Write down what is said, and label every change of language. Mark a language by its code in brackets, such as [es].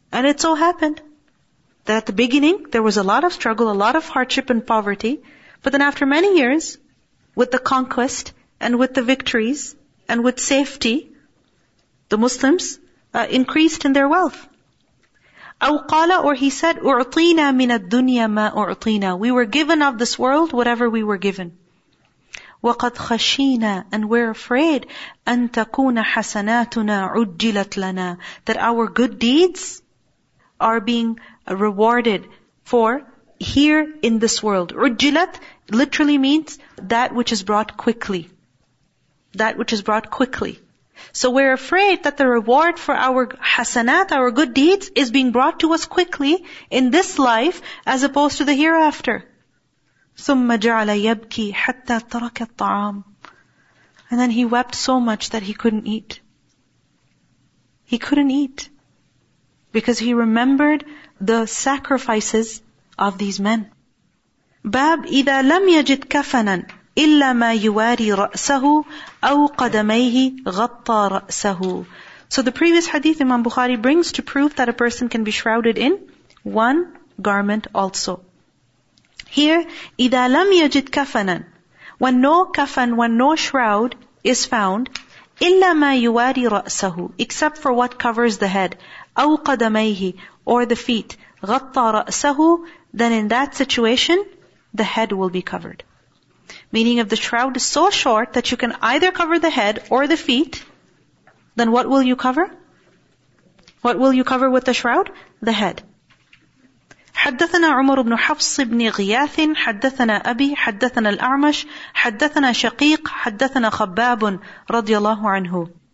[en] And it so happened that at the beginning there was a lot of struggle, a lot of hardship and poverty. But then after many years, with the conquest and with the victories and with safety, the Muslims increased in their wealth. [ar] أو قال, [en] or he said, [ar] أعطينا من الدنيا ما أعطينا. [en] We were given of this world whatever we were given. [ar] وقد خشينا, [en] and we're afraid, [ar] أن تكون حسناتنا عجلت لنا, [en] that our good deeds are being rewarded for here in this world. عجلت literally means that which is brought quickly. That which is brought quickly. So we're afraid that the reward for our hasanat, our good deeds, is being brought to us quickly in this life as opposed to the hereafter. [ar] ثُمَّ جَعَلَ يَبْكِي حَتَّى تَرَكَ الطَّعَامِ. [en] And then he wept so much that he couldn't eat. He couldn't eat. Because he remembered the sacrifices of these men. [ar] باب إذا لم يجد كفناً إِلَّا مَا يُوَارِي رَأْسَهُ أَوْ قَدَمَيْهِ غَطَّى رَأْسَهُ. [en] So the previous hadith Imam Bukhari brings to prove that a person can be shrouded in one garment also. Here, [ar] إِذَا لَمْ يَجِدْ كَفَنًا, [en] when no kafan, when no shroud is found, [ar] إِلَّا مَا يُوَارِي رَأْسَهُ, [en] except for what covers the head, [ar] أَوْ قَدَمَيْهِ, [en] or the feet, [ar] غَطَّى رَأْسَهُ, [en] then in that situation, the head will be covered. Meaning if the shroud is so short that you can either cover the head or the feet, then what will you cover? What will you cover with the shroud? The head. [ar] حدثنا عمر بن حفص بن غياث حدثنا أبي حدثنا الأعمش حدثنا شقيق حدثنا خباب رضي الله عنه.